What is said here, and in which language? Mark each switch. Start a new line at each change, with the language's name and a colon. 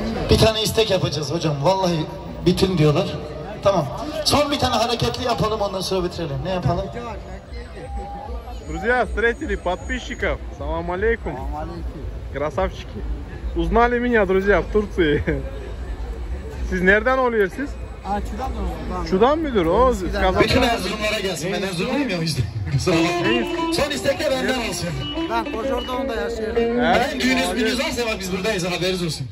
Turkish: Bir tane istek yapacağız hocam. Vallahi bitin diyorlar. Tamam. Son bir tane hareketli yapalım ondan sonra bitirelim. Ne yapalım?
Russian: Друзья, встретили подписчиков. Салам алейкум. Салам алейкум. Красавчики. Узнали меня, друзья, в Турции.
Turkish: Siz nereden oluyorsunuz? Çudan mıdır? Bütün Erzurumlara gelsin. Ben Erzurumluyum ya bizde. Son istekler benden olsun. Ben Kocaeli'de onda yaşıyorum. Düğünüz varsa bak biz buradayız. Haberiniz olsun.